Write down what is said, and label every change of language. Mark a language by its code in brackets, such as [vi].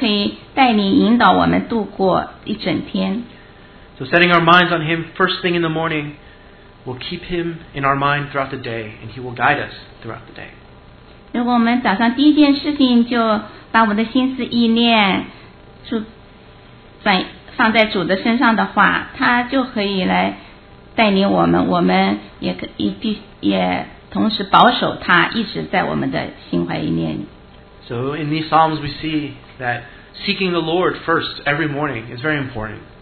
[zh] 所以告诉我们，早上我们要听神慈爱之言，这样他的话就可以带领引导我们度过一整天。 [en] So setting our minds on Him first thing in the morning will keep Him in our mind throughout the day, and He will guide us throughout the day. [zh] 如果我们早上第一件事情就把我们的心思意念放在主的身上的话，他就可以来带领我们，我们也同时保守他一直在我们的心怀意念里。 [en] So in these Psalms we see that seeking the Lord first every morning is very important.